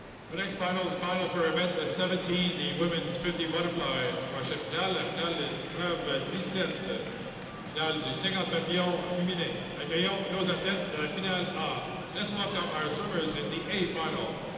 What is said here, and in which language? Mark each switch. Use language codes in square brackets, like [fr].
[en] The next final is final for event 17, the women's 50 butterfly. [fr] Prochaine finale, la finale est l'épreuve 17, finale du 50 papillon féminin. Accueillons nos athlètes de la finale A. [en] Let's welcome our swimmers in the A final.